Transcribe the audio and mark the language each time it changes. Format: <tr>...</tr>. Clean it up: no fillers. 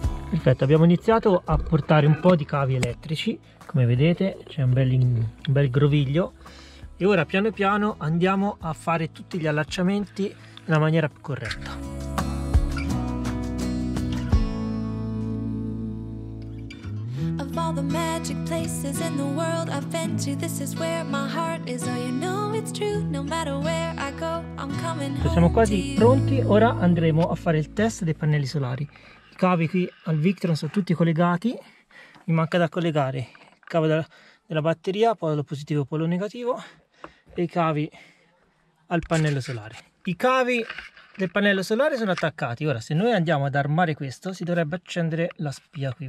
<it>Perfetto, abbiamo iniziato a portare un po' di cavi elettrici, come vedete c'è un bel groviglio, e ora piano piano andiamo a fare tutti gli allacciamenti nella maniera più corretta.</it> <en>Of all the magic places in the world I've been to, this is where my heart is. Oh, you know it's true, no matter where I go, I'm coming home.</en> <it>Siamo quasi pronti, ora andremo a fare il test dei pannelli solari. I cavi qui al Victron sono tutti collegati, mi manca da collegare il cavo della batteria, polo positivo, polo negativo, e i cavi al pannello solare. I cavi del pannello solare sono attaccati. Ora, se noi andiamo ad armare questo, si dovrebbe accendere la spia qui.</it>